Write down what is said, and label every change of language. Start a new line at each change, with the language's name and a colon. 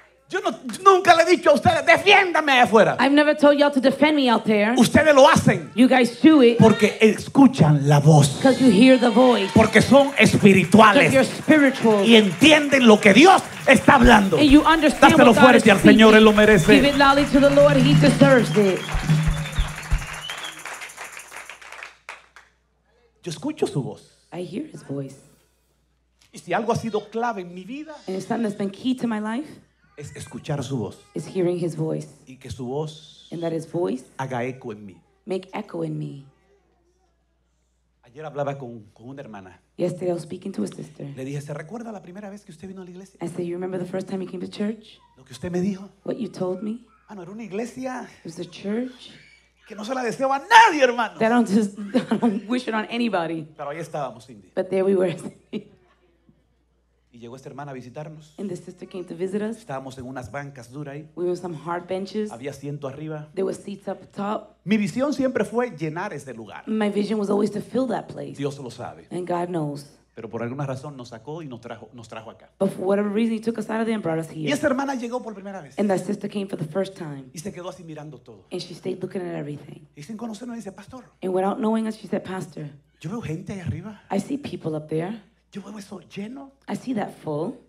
Spanish: Yo nunca le he dicho a ustedes, defiéndame allá afuera.
English: I've never told y'all to defend me out there.
Spanish: Ustedes lo hacen.
English: You guys do it.
Spanish: Porque escuchan la voz.
English: Because you hear the voice.
Spanish: Porque son espirituales.
English: Because you're spiritual.
Spanish: Y entienden lo que Dios está hablando.
English: And you understand
Spanish: Dáselo
English: what
Spanish: fuerte
English: God is
Spanish: al
English: speaking.
Spanish: Señor, Él lo merece.
English: Give it loudly to the Lord, He deserves it.
Spanish: Yo escucho su voz.
English: I hear His voice.
Spanish: Y si algo ha sido clave en mi vida.
English: And it's something that's been key to my life.
Spanish: Es escuchar su voz.
English: Is hearing his voice.
Spanish: Y que su voz.
English: And that his voice.
Spanish: Haga eco en mí.
English: Make echo in me.
Spanish: Ayer hablaba con una hermana.
English: Yesterday I was speaking to a sister.
Spanish: Le dije, ¿se recuerda la primera vez que usted vino a la iglesia?
English: I said, you remember the first time you came to church?
Spanish: Lo que usted me dijo.
English: What you told me.
Spanish: Ah, no, era una iglesia.
English: It was a church.
Spanish: Que no se la deseo a nadie, hermano.
English: That I don't wish it on anybody.
Spanish: Pero ahí estábamos, Cindy.
English: But there we were.
Spanish: Y llegó esta hermana a visitarnos.
English: And the sister came to visit us.
Spanish: Estábamos en unas bancas duras ahí.
English: We were on some hard benches.
Spanish: Había asiento arriba.
English: There were seats up top.
Spanish: Mi visión siempre fue llenar ese lugar.
English: My vision was always to fill that place.
Spanish: Dios lo sabe.
English: And God knows.
Spanish: Pero por alguna razón nos sacó y nos trajo acá.
English: But for whatever reason, he took us out of there and brought us here.
Spanish: Y esta hermana llegó por primera vez.
English: And that sister came for the first time.
Spanish: Y se quedó así mirando todo.
English: And she stayed looking at everything.
Spanish: Y sin conocernos dice, Pastor.
English: And without knowing us, she said, Pastor.
Spanish: Yo veo gente ahí arriba.
English: I see people up there.
Spanish: Yo veo eso lleno.
English: I see that full.